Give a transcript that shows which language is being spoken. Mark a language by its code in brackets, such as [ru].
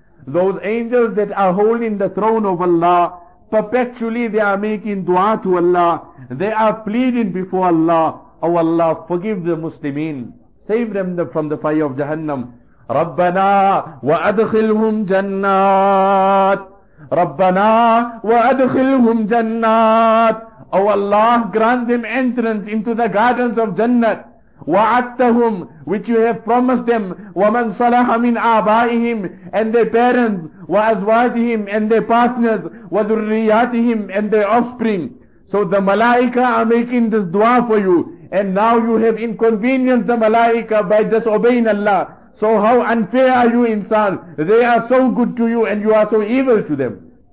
[en] Those angels that are holding the throne of Allah, perpetually they are making dua to Allah, they are pleading before Allah, O Allah, forgive the Muslimin, save them from the fire of Jahannam. [ar] رَبَّنَا وَأَدْخِلْهُمْ جَنَّاتٍ رَبَّنَا وَأَدْخِلْهُمْ جَنَّاتٍ. [en] O Allah, grant them entrance into the gardens of Jannat. [ar] وَعَدْتَهُمْ, [en] which you have promised them. [ar] وَمَنْ صَلَحَ مِنْ آبَائِهِمْ, [en] and their parents. [ar] وَأَزْوَاجِهِمْ, [en] and their partners. [ar] وَذُرِّيَّاتِهِمْ, [en] and their offspring. So the malaika are making this dua for you, and now you have inconvenienced the malaika by disobeying Allah. So how unfair are you, insan? They are so good to you and you are so evil to them.